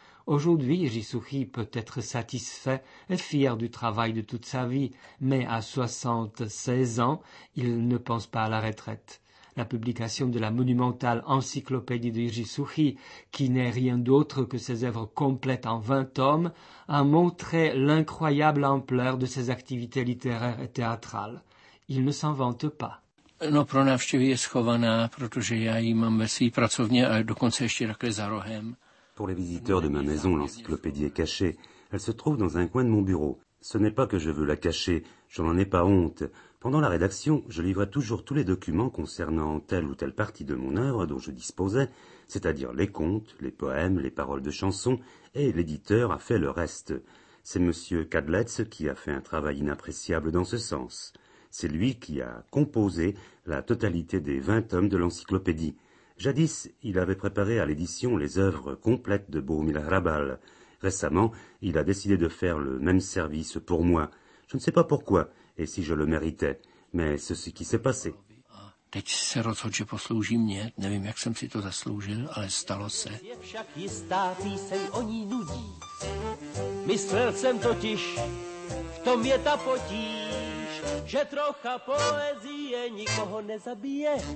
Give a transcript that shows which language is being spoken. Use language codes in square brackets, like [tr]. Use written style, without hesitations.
[fr] Aujourd'hui, Jiří Suchý peut être satisfait et fier du travail de toute sa vie, mais à 76 ans, il ne pense pas à la retraite. La publication de la monumentale encyclopédie de Jiří Suchý, qui n'est rien d'autre que ses œuvres complètes en 20 tomes, a montré l'incroyable ampleur de ses activités littéraires et théâtrales. Il ne s'en vante pas. [cs] No, pro návštěvy je schovaná, protože já ji mám ve své pracovně a dokonce ještě takhle za rohem. [fr] Pour les visiteurs de ma maison, l'encyclopédie est cachée. Elle se trouve dans un coin de mon bureau. Ce n'est pas que je veux la cacher, je n'en ai pas honte. Pendant la rédaction, je livrais toujours tous les documents concernant telle ou telle partie de mon œuvre dont je disposais, c'est-à-dire les contes, les poèmes, les paroles de chansons, et l'éditeur a fait le reste. C'est M. Kadletz qui a fait un travail inappréciable dans ce sens. C'est lui qui a composé la totalité des 20 tomes de l'encyclopédie. Jadis, il avait préparé à l'édition les œuvres complètes de Bohumil Hrabal. Récemment, il a décidé de faire le même service pour moi. Je ne sais pas pourquoi et si je le méritais, mais c'est ce qui s'est passé. [cs] Teď se rozhodl, že poslouží mě. Nevím, jak jsem si to zasloužil, ale stalo se. Je však jistá píseň, o ní nudí. Myslel jsem totiž, v tom je ta potíž, že trocha poezie nikoho nezabije.